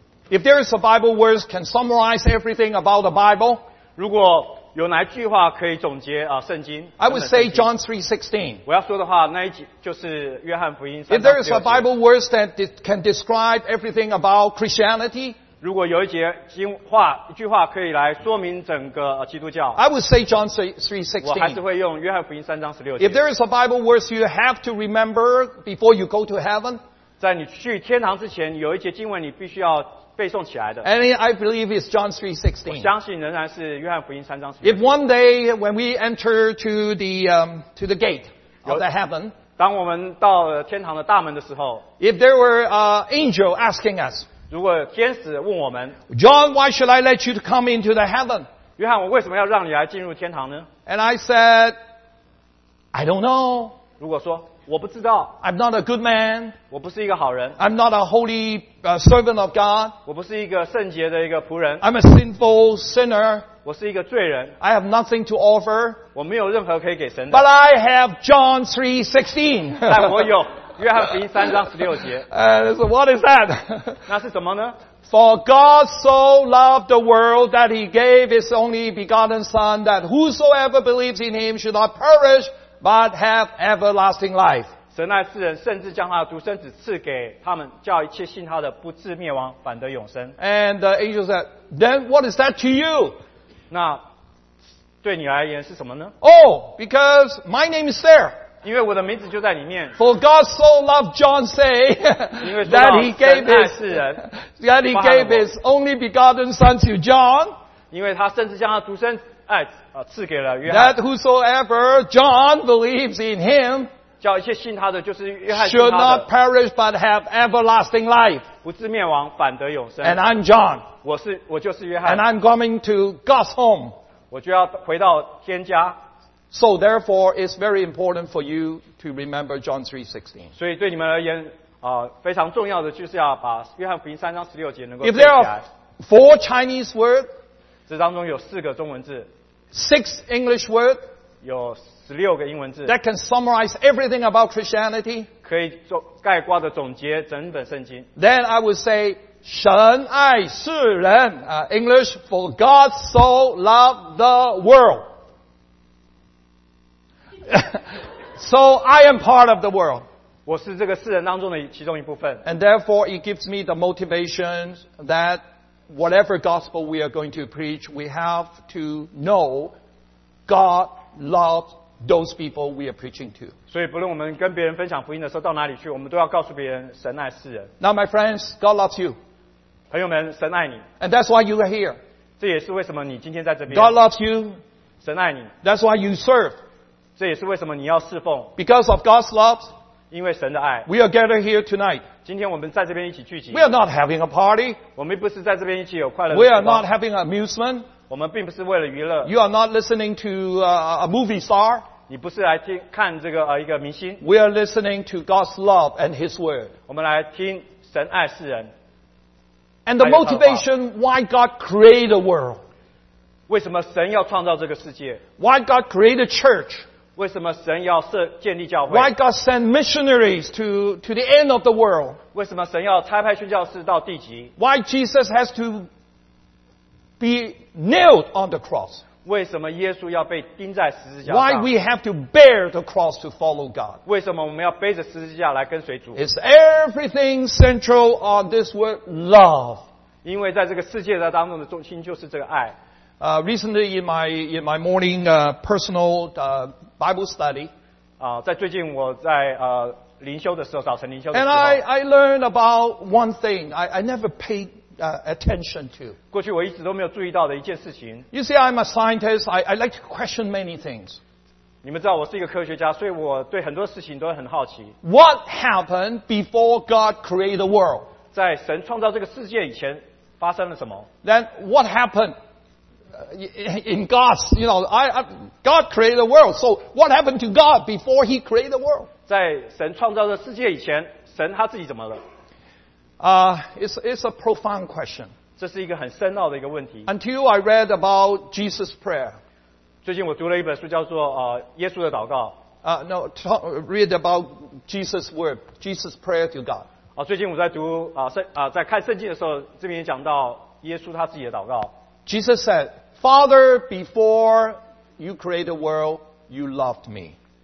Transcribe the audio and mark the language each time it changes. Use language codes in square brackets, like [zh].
[en] If there is a Bible verse can summarize everything about the Bible, [zh] 如果有哪一句话可以总结圣经， [en] I would say John 3:16. [zh] 我要说的话，那一句就是约翰福音三章。 [en] If there is a Bible verse that can describe everything about Christianity, [zh] 如果有一句话可以来说明整个基督教， [en] I would say John 3:16. [zh] 我还是会用约翰福音三章十六节。 [en] If there is a Bible verse you have to remember before you go to heaven, [zh] 在你去天堂之前，有一节经文你必须要背诵起来的。 [en] And I believe it's John 3:16. [zh] 我相信仍然是约翰福音三章十 [en] 六。If one day when we enter to the gate of the heaven, [zh] 当我们到了天堂的大门的时候， [en] if there were an angel asking us, [zh] 如果天使问我们， [en] John, why should I let you to come into the heaven? [zh] 约翰，我为什么要让你来进入天堂呢？ [en] And I said, I don't know. [zh] 如果说我不知道， [en] I'm not a good man. [zh] 我不是一个好人。 [en] I'm not a holy servant of God. [zh] 我不是一个圣洁的一个仆人。 [en] I'm a sinful sinner. [zh] 我是一个罪人。 [en] I have nothing to offer. [zh] 我没有任何可以给神的。 [en] But I have John 3:16. [zh] 但我有约翰福音三章十六节。 [en] So what is that? [zh] 那是什么呢？ [en] For God so loved the world that He gave His only begotten Son that whosoever believes in Him should not perish. But have everlasting life. [zh] 神爱世人，甚至将他的独生子赐给他们，叫一切信他的不至灭亡，反得永生。 [en] And the angel said, "Then what is that to you?" [zh] 那对你而言是什么呢 [en] ？Oh, because my name is there. [zh] 因为我的名字就在里面。 [en] For God so loved John, say, that He gave His that He gave His only begotten Son to John. [zh] 因为他甚至将他独生爱赐给了约翰。 [en] That whosoever John believes in him, [zh] 叫一切信他的就是约翰。 [en] Should not perish but have everlasting life, [zh] 不至灭亡反得永生。 [en] And I'm John, [zh] 我就是约翰。 [en] And I'm coming to God's home, [zh] 我就要回到天家。 [en] So therefore, it's very important for you to remember John 3:16. [zh] 所以对你们而言，非常重要的就是要把约翰福音三章十六节能够。 [en] If there are four Chinese words, [zh] 这当中有四个中文字。 [en] Six English words, [zh] 有十六个英文字 [en] that can summarize everything about Christianity, [zh] 可以概括的总结整本圣经。 [en] Then I would say, [zh] 神爱世人 [en] English, for God so loved the world. So I am part of the world. [zh] 我是这个世人当中的其中一部分。 [en] And therefore it gives me the motivation that whatever gospel we are going to preach, we have to know God loves those people we are preaching to. [zh] 所以不论我们跟别人分享福音的时候到哪里去，我们都要告诉别人神爱世人。 [en] Now my friends, God loves you. [zh] 朋友们，神爱你。 [en] And that's why you are here. [zh] 这也是为什么你今天在这边。 [en] God loves you. [zh] 神爱你。 [en] That's why you serve. [zh] 这也是为什么你要侍奉。 [en] Because of God's love. [zh] 因为神的爱。 [en] We are gathered here tonight. [zh] 今天我们在这边一起聚集。 [en] We are not having a party. [zh] 我们不是在这边一起有快乐。 [en] We are not having amusement. [zh] 我们并不是为了娱乐。 [en] You are not listening to a movie star. [zh] 你不是来听看这个, 一个明星。 [en] We are listening to God's love and His word. [zh] 我们来听神爱世人。 [en] And the motivation why God created the world. [zh] 为什么神要创造这个世界? [en] Why God created a church? [zh] 为什么神要建立教会? [en] Why God sent missionaries to the end of the world? [zh] 为什么神要差派宣教士到地极? [en] Why Jesus has to be nailed on the cross? [zh] 为什么耶稣要被钉在十字架上? [en] Why we have to bear the cross to follow God? [zh] 为什么我们要背着十字架来跟随主? [en] It's everything central on this word, love. [zh] 因为在这个世界当中的中心就是这个爱。 [en] Recently in my morning personal Bible study, [zh] 在最近我在灵修的时候，早晨灵修的时候, [en] and I learned about one thing I never paid attention to. [zh] 过去我一直都没有注意到的一件事情. [en] You see, I'm a scientist. I like to question many things. [zh] 你们知道我是一个科学家，所以我对很多事情都很好奇. [en] What happened before God created the world? [zh] 在神创造这个世界以前发生了什么? [en] Then what happened? In God's, you know, God created the world. So what happened to God before He created the world? [zh] 在神创造的世界以前，神他自己怎么了？ [en] It's a profound question. [zh] 这是一个很深奥的一个问题. [en] Until I read about Jesus' prayer. [zh] 最近我读了一本书叫做 耶稣的祷告. [en] Read about Jesus' word, Jesus' prayer to God. [zh] 最近我在读 在看圣经的时候，这边也讲到耶稣他自己的祷告. [en] Jesus said, Father, before you created the world, you loved me.